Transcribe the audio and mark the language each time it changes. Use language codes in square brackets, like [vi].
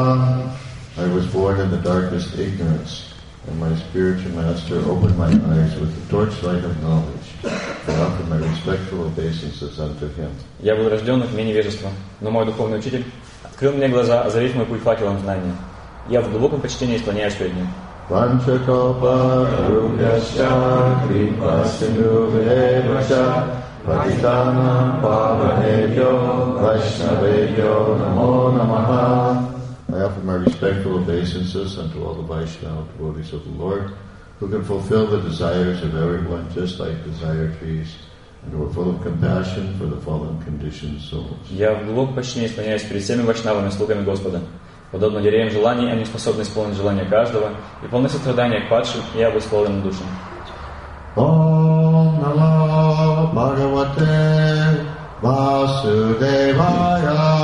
[en] I was born in the darkest ignorance, and my spiritual master opened my eyes with the torchlight of knowledge and offered my respectful obeisances unto him. [ru] Я был рожден в невежестве, но мой духовный учитель открыл мне глаза, озарив мой путь факелом знания. Я в глубоком почтении склоняюсь перед ним. [sa] Ванчакалпа Рубяща Крипа Синдувеваща Патитана Павахевьо Вайшнавевьо Намо Намаха. [en] I offer my respectful obeisances unto all the Vaishnava devotees of the Lord who can fulfill the desires of everyone just like desire trees and who are full of compassion for the fallen conditioned souls. [ru] Я в глубоком почтении склоняюсь перед всеми вайшнавами, слугами Господа. Подобно деревьям желаний, они способны исполнить желания каждого и полны сострадания к падшим и обусловленным душам. [sa] Ом нама Бхагавате Васудевая.